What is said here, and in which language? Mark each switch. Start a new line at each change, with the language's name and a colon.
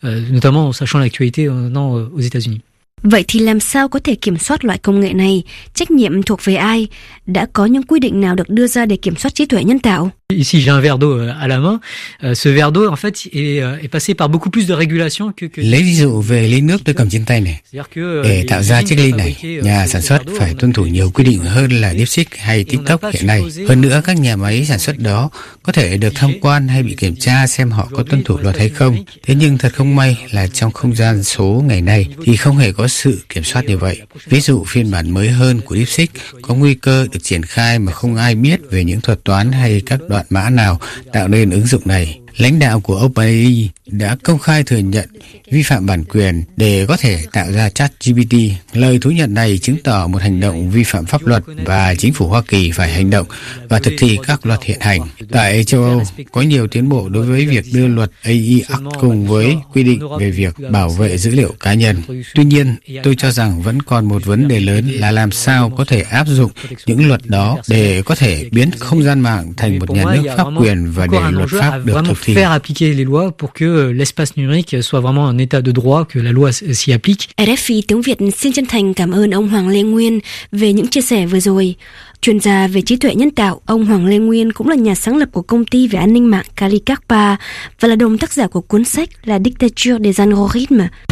French: Notamment en sachant l'actualité maintenant aux États-Unis.
Vietnamese: Vậy thì làm sao có thể kiểm soát loại công nghệ này? Trách nhiệm thuộc về ai? Đã có những quy định nào được đưa ra để kiểm soát trí tuệ nhân tạo?
French: Ici j'ai un verre d'eau à la main. Ce verre d'eau en fait est passé par beaucoup plus de régulation que.
Vietnamese: Lấy ví dụ về ly nước tôi cầm trên tay này. Để tạo ra chiếc ly này, nhà sản xuất phải tuân thủ nhiều quy định hơn là DeepSeek hay TikTok hiện nay. Hơn nữa, các nhà máy sản xuất đó có thể được tham quan hay bị kiểm tra xem họ có tuân thủ luật hay không. Thế nhưng thật không may là trong không gian số ngày nay thì không hề có sự kiểm soát như vậy. Ví dụ phiên bản mới hơn của DeepSeek có nguy cơ được triển khai mà không ai biết về những thuật toán hay các đoạn mã nào tạo nên ứng dụng này. Lãnh đạo của OpenAI đã công khai thừa nhận vi phạm bản quyền để có thể tạo ra ChatGPT. Lời thú nhận này chứng tỏ một hành động vi phạm pháp luật và chính phủ Hoa Kỳ phải hành động và thực thi các luật hiện hành. Tại châu Âu, có nhiều tiến bộ đối với việc đưa luật AI Act cùng với quy định về việc bảo vệ dữ liệu cá nhân. Tuy nhiên, tôi cho rằng vẫn còn một vấn đề lớn là làm sao có thể áp dụng những luật đó để có thể biến không gian mạng thành một nhà nước pháp quyền và để luật pháp được thực thi.
French: Faire appliquer les lois pour que l'espace numérique soit vraiment un état de droit, que la loi s'y applique.
Vietnamese: RFI tiếng Việt xin chân thành cảm ơn ông Hoàng Lê Nguyên về những chia sẻ vừa rồi. Chuyên gia về trí tuệ nhân tạo, ông Hoàng Lê Nguyên cũng là nhà sáng lập của công ty về an ninh mạng Calicarpa và là đồng tác giả của cuốn sách La dictature des algorithmes.